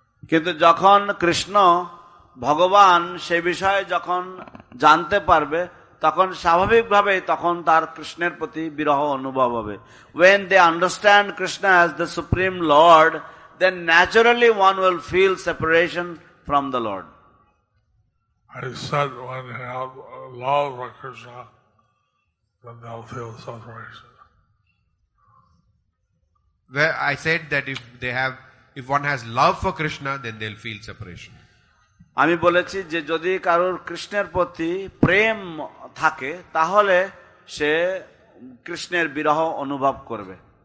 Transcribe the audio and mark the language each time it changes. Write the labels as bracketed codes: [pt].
[bn] কিন্তু যখন কৃষ্ণ ভগবান সে বিষয়ে যখন জানতে পারবে তখন স্বাভাবিকভাবে তখন তার কৃষ্ণের প্রতি বিরহ অনুভব হবে. [en] When they understand Krishna as the supreme Lord, then naturally one will feel separation from the Lord. I said when they have love for Krishna, then they'll feel separation. Well, I said that if they have If one has love for Krishna, then they'll feel separation. [bn] আমি বলেছি যে যদি কারোর কৃষ্ণের প্রতি প্রেম থাকে তাহলে সে কৃষ্ণের বিরহ অনুভব করবে.